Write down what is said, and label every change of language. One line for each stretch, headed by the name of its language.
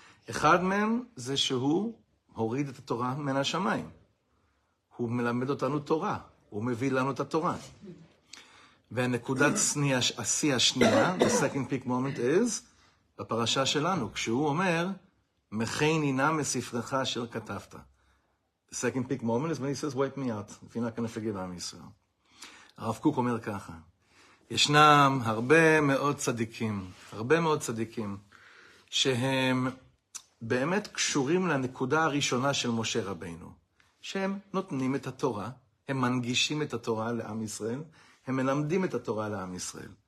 Hebrew: אחד מהם זה שהוא הוריד את התורה מן השמיים. הוא מלמד אותנו תורה. הוא מביא לנו את התורה. והנקודת השיא השנייה,
English: the second peak moment is,
Hebrew: בפרשה שלנו, כשהוא אומר, מחי נינה מספרך אשר כתבת.
English: The second peak moment is when he says, wipe me out. If you're not going to forgive me, so.
Hebrew: הרב קוק אומר ככה, ישנם הרבה מאוד צדיקים, הרבה מאוד צדיקים, שהם באמת קשורים לנקודה הראשונה של משה רבינו, שהם נותנים את התורה, הם מנגישים את התורה לעם ישראל, הם מלמדים את התורה לעם ישראל.